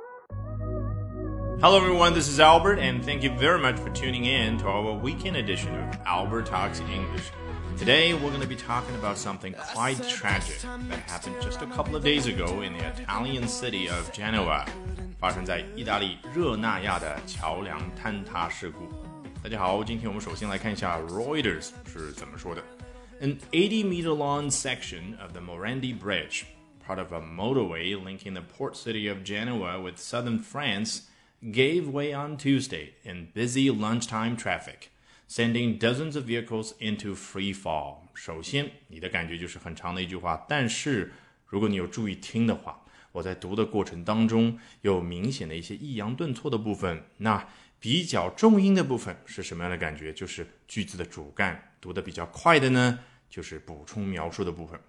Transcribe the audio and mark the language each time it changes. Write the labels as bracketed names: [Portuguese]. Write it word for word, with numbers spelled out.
[English] Hello everyone, this is Albert, and thank you very much for tuning in to our weekend edition of Albert Talks English. Today we're going to be talking about something quite tragic that happened just a couple of days ago in the Italian city of Genoa, [Chinese] 发生在意大利热那亚的桥梁坍塌事故。大家好，今天我们首先来看一下 Reuters 是怎么说的。 [English] An eighty meter long section of the Morandi Bridge, part of a motorway linking the port city of Genoa with southern France,gave way on Tuesday in busy lunchtime traffic, sending dozens of vehicles into free fall. [Chinese] 首先，你的感觉就是很长的一句话，但是如果你有注意听的话，我在读的过程当中有明显的一些抑扬顿挫的部分，那比较重音的部分是什么样的感觉？就是句子的主干，读得比较快的呢，就是补充描述的部分。